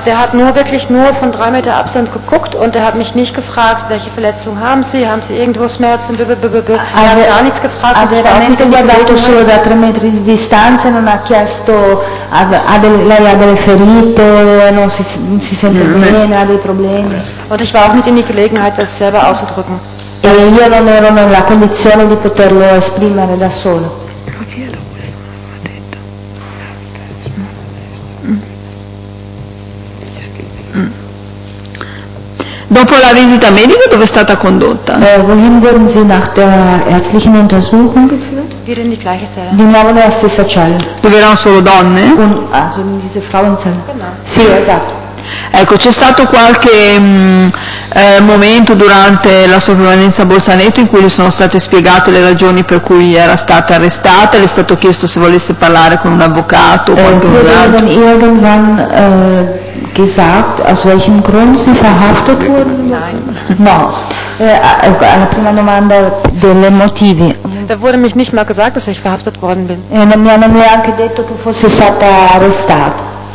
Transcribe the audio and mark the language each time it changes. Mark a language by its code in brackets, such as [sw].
[de] Der hat nur wirklich nur von 3 Meter Abstand geguckt und er hat mich nicht gefragt, welche Verletzung haben Sie irgendwo Schmerzen, er hat gar nichts gefragt. [it] Ha veramente guardato solo da 3 metri di distanza e non ha chiesto, lei ha delle ferite, non si sente bene, ha dei problemi. [de] Und ich war auch nicht in die Gelegenheit, das selber auszudrücken. [it] E io non ero nella condizione di poterlo esprimere da solo. Dopo la visita medica dove è stata condotta? [de] Wohin wurden Sie nach der ärztlichen Untersuchung geführt? Wieder in die gleiche Zelle. [it] Di nuovo nella stessa cella. Dove erano solo donne? [de] Also in diese Frauenzelle. Genau. [it] Sì, esatto. Ecco, c'è stato qualche momento durante la sua permanenza a Bolzaneto in cui le sono state spiegate le ragioni per cui era stata arrestata, le è stato chiesto se volesse parlare con un avvocato o qualche altro? [de] Gesagt, aus welchem Grund sie verhaftet wurden? Nein. [it] No. La prima domanda delle motivi. [de] Da wurde mich nicht mal gesagt, dass ich verhaftet worden bin. [it] E non mi hanno neanche detto che fossi stata arrestata.